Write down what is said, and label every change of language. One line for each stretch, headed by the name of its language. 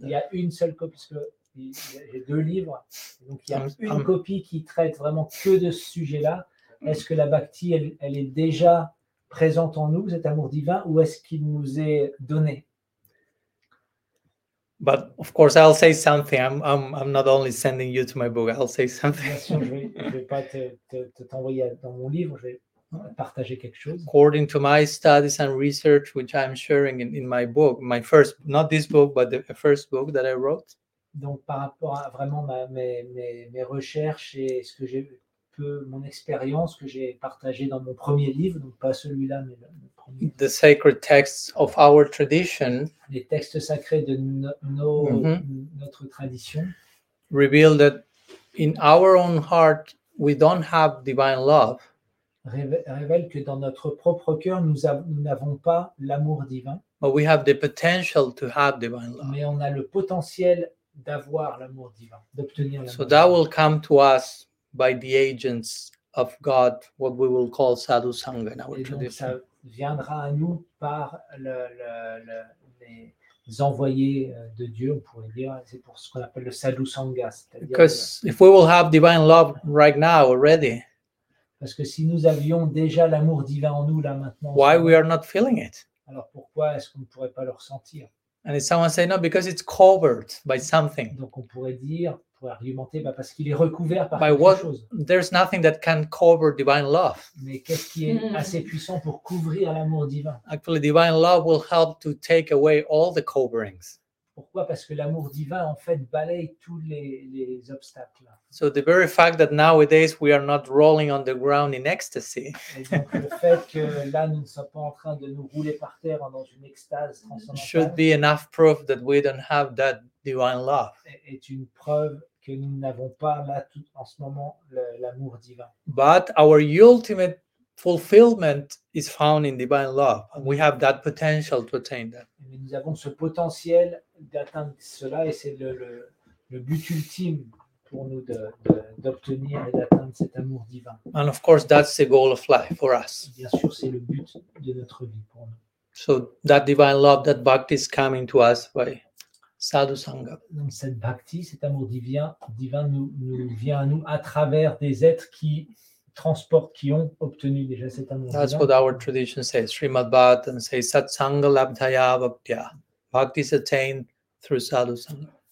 French: Il y a une seule copie parce que j'ai deux livres. Donc il y a une copie qui traite vraiment que de ce sujet-là. Est-ce que la bhakti, elle est déjà présente en nous, cet amour divin, ou est-ce qu'il nous est donné?
English: But of course, I'll say something. I'm not only sending you to my book. I'll say something.
French: Bien sûr, je vais pas te t'envoyer dans mon livre. Je vais partager quelque chose.
English: According to my studies and research, which I'm sharing in my book, my first, not this book, but the first book that I wrote.
French: Donc, par rapport à vraiment mes recherches et ce que j'ai vu. Mon expérience que j'ai partagé dans mon premier livre, donc pas celui-là, mais le premier.
English: The sacred texts of our tradition.
French: Les textes sacrés de notre tradition.
English: Reveal that in our own heart we don't have divine love.
French: révèle que dans notre propre cœur, nous n'avons pas l'amour divin.
English: But we have the potential to have divine love.
French: Mais on a le potentiel d'avoir l'amour divin, d'obtenir l'amour.
English: So that will come to us by the agents of God, what we will call sadhu sangha in our tradition.
French: Ça viendra à nous par les envoyés de Dieu, on pourrait dire. C'est pour ce qu'on appelle le sadhu sangha.
English: Because if we will have divine love right now already.
French: Parce que si nous avions déjà l'amour divin en nous là maintenant.
English: Why we are not feeling it?
French: Alors pourquoi est-ce qu'on ne pourrait pas le ressentir?
English: And if someone say no, because it's covered by something.
French: Donc on pourrait dire, pour argumenter, bah parce qu'il est recouvert par
English: by
French: quelque
English: what,
French: chose.
English: There's nothing that can cover divine love.
French: Mais qu'est-ce qui est assez puissant pour couvrir l'amour divin?
English: Actually, divine love will help to take away all the coverings.
French: Pourquoi? Parce que l'amour divin en fait balaye tous les obstacles.
English: So the very fact that nowadays we are not rolling on the ground in ecstasy.
French: Et donc le fait que là nous ne sommes pas en train de nous rouler par terre dans une extase transcendantale.
English: Should be enough proof that we don't have that divine love.
French: Est une preuve que nous n'avons pas là tout en ce moment l'amour divin.
English: But our ultimate fulfillment is found in divine love. We have that potential to attain that.
French: Mais nous avons ce potentiel d'atteindre cela et c'est le but ultime pour nous d'obtenir et d'atteindre cet amour divin.
English: And of course, that's the goal of life for us.
French: Bien sûr, c'est le but de notre vie pour nous.
English: So that divine love, that bhakti is coming to us by sadhu sangha.
French: Donc cette bhakti, cet amour divin nous vient à nous à travers des êtres qui transportent, qui ont obtenu déjà cet amour divin.
English: That's what our tradition says. Srimad Bhagavatam says
Sanskrit: satsanga labdhaya bhaktya.
English: Bhakti is attained through sadhu sangha.